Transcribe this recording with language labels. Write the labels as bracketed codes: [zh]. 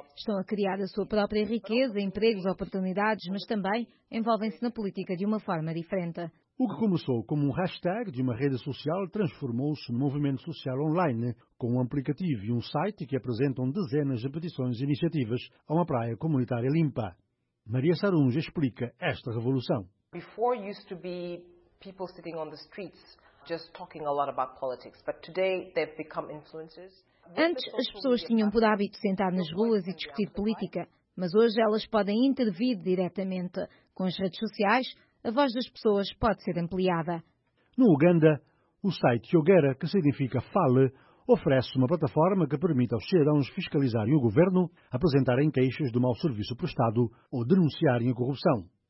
[pt] Estão a criar a sua própria riqueza, empregos, oportunidades, mas também envolvem-se na política de uma forma diferente. O que começou como um hashtag de uma rede social transformou-se num movimento social online, com um aplicativo e um site que apresentam dezenas de petições e iniciativas a uma praia comunitária limpa. Maria Sarunge explica esta revolução. [en] Before used to be people sitting on the streets just talking a lot about politics, but today they've become influencers. [pt] Antes as pessoas tinham por hábito sentar nas ruas e discutir política, Mas hoje elas podem intervir diretamente. Com as redes sociais, a voz das pessoas pode ser ampliada. No Uganda, o site Yogera, que significa Fale, oferece uma plataforma que permite aos cidadãos fiscalizarem o governo, apresentarem queixas do mau serviço prestado ou denunciarem a corrupção.